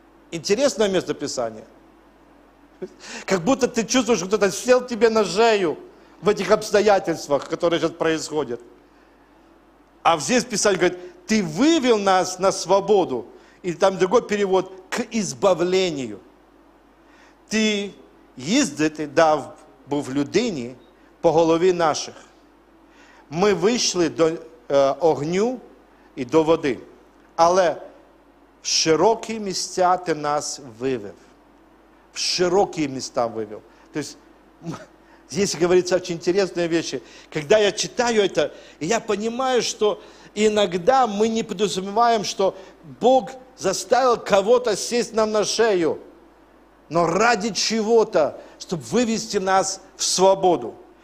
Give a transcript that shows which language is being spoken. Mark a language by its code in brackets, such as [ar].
[ru] Интересное местописание. Как будто ты чувствуешь, кто-то сел тебе на шею в этих обстоятельствах, которые сейчас происходят. А здесь Писание говорит, ты вывел нас на свободу. И там другой перевод, к избавлению. [uk] Ты ездить дав був людині по голові наших. Ми вийшли до огню і до води, але в широкі місця ти нас вивів. В широкі міста вивів. [ru] Тобто, здесь говорится очень интересные вещи. Когда я читаю это, я понимаю, что иногда мы не подразумеваем, что Бог заставил кого-то сесть нам на шею, но ради чего-то, чтобы вывести нас в свободу.